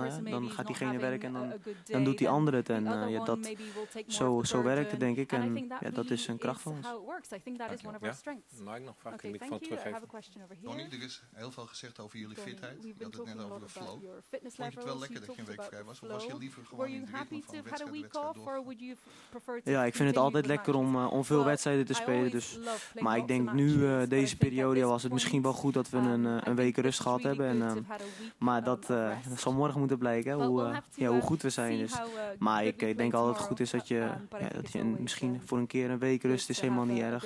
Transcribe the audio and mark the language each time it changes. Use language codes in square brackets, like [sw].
[nl] Dan gaat diegene werken en dan doet die andere het. En dat zo werkt het, denk ik. En dat is een kracht van ons. Mag ik nog een vraag? Ik vond teruggeven. Donny, er is heel veel gezegd over jullie fitheid. Je had het net over de flow. Vond je het wel lekker dat je een week vrij was? Of was je liever... [en] Were you happy to have had a week off, or would you prefer to? [nl] Ja, ik vind het altijd lekker om veel wedstrijden te spelen. Dus, maar ik denk nu deze periode was het misschien wel goed dat we een week rust gehad hebben. En, maar dat zal morgen moeten blijken hoe goed we zijn. Dus. Maar ik denk altijd goed is dat je, misschien voor een keer een week rust is helemaal niet erg.